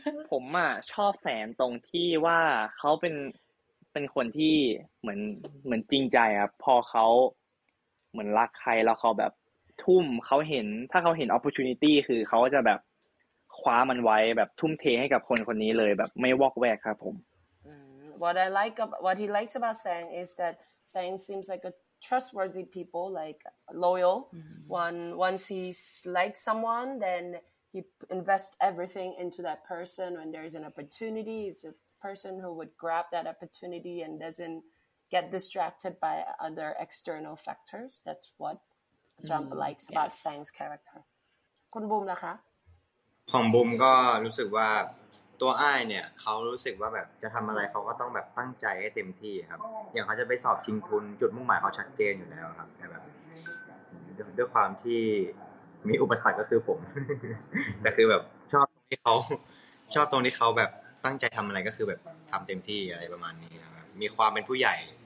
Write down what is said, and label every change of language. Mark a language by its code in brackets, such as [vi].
[th] ผมอ่ะชอบแสนตรงที่ว่าเขาเป็นคนที่เหมือนจริงใจครับพอเขาเหมือนรักใครแล้วเขาแบบทุ่มเขาเห็นถ้าเขาเห็นโอกาสคือเขาจะแบบคว้ามันไว้แบบทุ่มเทให้กับคนคนนี้เลยแบบไม่วอกแวกครับผม [en] What I like about what he likes about Sang is that Sang seems like a trustworthy people like loyal once he likes someone then he invests everything into that person when there is an opportunity it's a person who would grab that opportunity and doesn't get distracted by other external factors that's whatJump likes about Sang's character. [th] คุณบูมล่ะคะ ของบูมก็รู้สึกว่าตัวอ้ายเนี่ยเขารู้สึกว่าแบบจะทำอะไรเขาก็ต้องแบบตั้งใจให้เต็มที่ครับอย่างเขาจะไปสอบชิงทุนจุดมุ่งหมายเขาชัดเจนอยู่แล้วครับแต่แบบด้วยความที่มีอุปสรรคก็คือผม แต่คือแบบชอบตรงที่เขาแบบตั้งใจทำอะไรก็คือแบบทำเต็มที่อะไรประมาณนี้ครับมีความเป็นผู้ใหญ่